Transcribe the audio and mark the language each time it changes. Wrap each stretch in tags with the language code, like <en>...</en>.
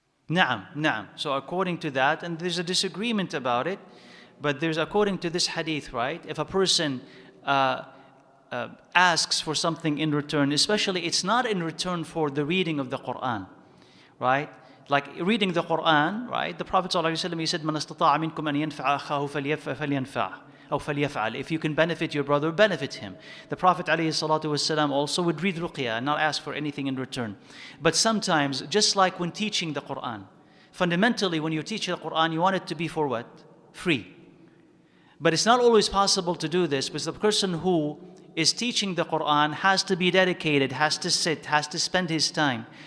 <en>Na'am, na'am. So according to that, and there's a disagreement about it, but there's according to this hadith, right? If a person asks for something in return, especially it's not in return for the reading of the Qur'an, right? Like reading the Qur'an, right? The Prophet ﷺ, he said,</en> <ar>مَنَ اسْتَطَاعَ مِنْكُمْ أَنْ يَنْفَعَ أَخَاهُ فَلْيَنْفَعَ أَوْ فَلْيَفْعَلَ.</ar> <en>If you can benefit your brother, benefit him. The Prophet ﷺ also would read ruqya and not ask for anything in return. But sometimes, just like when teaching the Qur'an, fundamentally when you teach the Qur'an, you want it to be for what? Free. But it's not always possible to do this, because the person who is teaching the Qur'an has to be dedicated, has to sit, has to spend his time.</en>